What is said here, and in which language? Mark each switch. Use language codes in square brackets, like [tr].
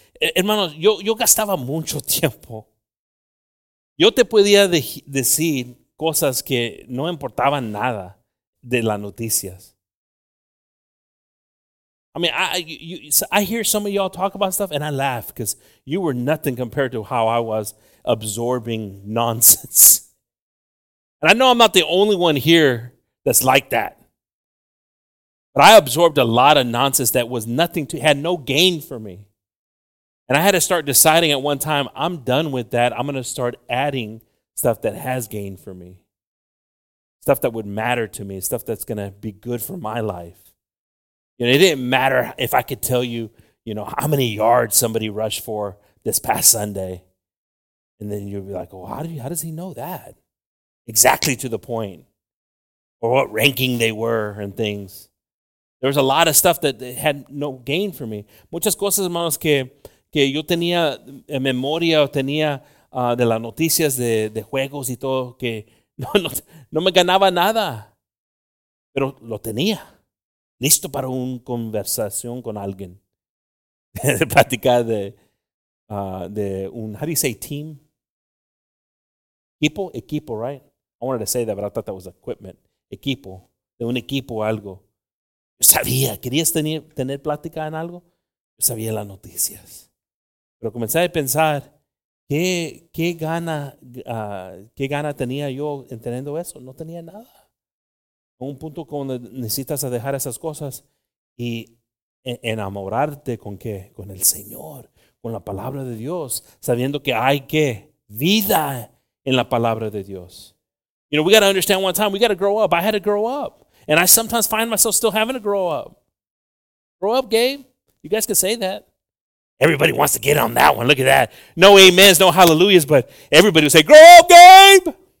[es] Hermanos, yo gastaba mucho tiempo. Yo te podía decir cosas que no importaban nada de las noticias. [en] I mean, I hear some of y'all talk about stuff and I laugh because you were nothing compared to how I was absorbing nonsense. And I know I'm not the only one here that's like that. But I absorbed a lot of nonsense that was nothing to, had no gain for me. And I had to start deciding at one time, I'm done with that. I'm going to start adding stuff that has gain for me. Stuff that would matter to me. Stuff that's going to be good for my life. You know, it didn't matter if I could tell you, you know, how many yards somebody rushed for this past Sunday. And then you'd be like, oh, how does he know that? Exactly to the point. Or what ranking they were and things. There was a lot of stuff that had no gain for me. [es] Muchas cosas, hermanos, que yo tenía en memoria o tenía de las noticias de juegos y todo, que no me ganaba nada. Pero lo tenía. Listo para una conversación con alguien. De platicar de un, [en] how do you say team? [es] Equipo, right? [en] I wanted to say that, but I thought that was equipment. [es] Equipo, de un equipo o algo. Yo sabía, querías tener plática en algo. Yo sabía las noticias. Pero comencé a pensar, ¿qué gana tenía yo entendiendo eso? No tenía nada. Un punto donde necesitas dejar esas cosas y enamorarte con qué, con el Señor, con la palabra de Dios, sabiendo que hay que vida en la palabra de Dios. [en] You know, we got to understand one time, we got to grow up. I had to grow up. And I sometimes find myself still having to grow up. Grow up, Gabe. You guys can say that. Everybody wants to get on that one. Look at that. No amens, no hallelujahs, but everybody will say, grow up, Gabe.